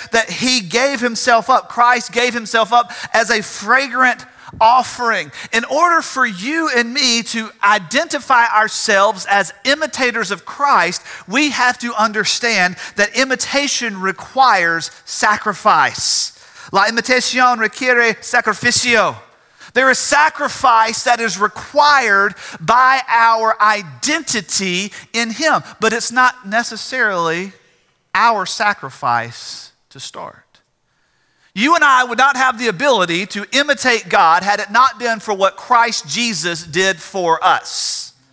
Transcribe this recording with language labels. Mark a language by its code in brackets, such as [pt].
[en] that he gave himself up. Christ gave himself up as a fragrant offering. In order for you and me to identify ourselves as imitators of Christ, we have to understand that imitation requires sacrifice. [es] La imitación requiere sacrificio. [en] There is sacrifice that is required by our identity in him, but it's not necessarily our sacrifice to start. You and I would not have the ability to imitate God had it not been for what Christ Jesus did for us.